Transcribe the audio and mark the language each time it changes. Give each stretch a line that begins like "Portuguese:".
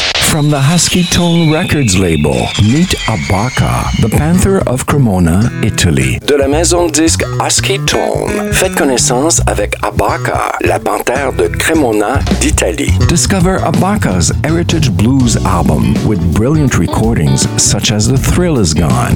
English: From the Husky Tone Records label, meet Abaca, the panther of Cremona, Italy.
French: De la maison de disque Husky Tone, faites connaissance avec Abaca, la panthère de Cremona, d'Italie.
English: Discover Abaca's heritage blues album with brilliant recordings such as The Thrill Is Gone.